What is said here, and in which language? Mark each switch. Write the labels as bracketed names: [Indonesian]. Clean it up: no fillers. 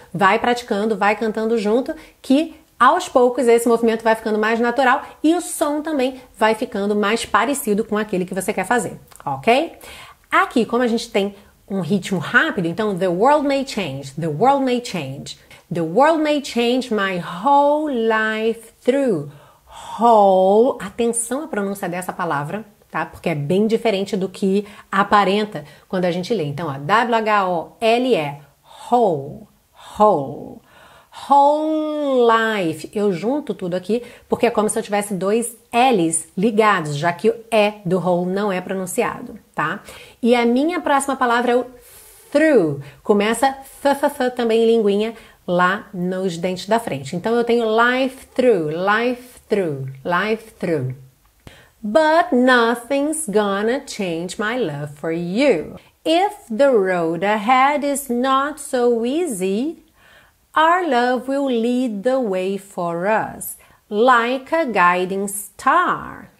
[Portuguese] Vai praticando, vai cantando junto, que aos poucos esse movimento vai ficando mais natural e o som também vai ficando mais parecido com aquele que você quer fazer, ok? Aqui, como a gente tem um ritmo rápido, então [English] the world may change, the world may change. The world may change my whole life through. [Portuguese] Whole, atenção à pronúncia dessa palavra, tá? Porque é bem diferente do que aparenta quando a gente lê. Então, ó, W-H-O-L-E, [English] whole, whole, whole life. [Portuguese] Eu junto tudo aqui porque é como se eu tivesse dois L's ligados, já que o E do whole não é pronunciado, tá? E a minha próxima palavra é o through. Começa th-th-th também em linguinha lá nos dentes da frente. Então, eu tenho [English] life through, life through. Through, life through. But nothing's gonna change my love for you. If the road ahead is not so easy, Our love will lead the way for us, like a guiding star.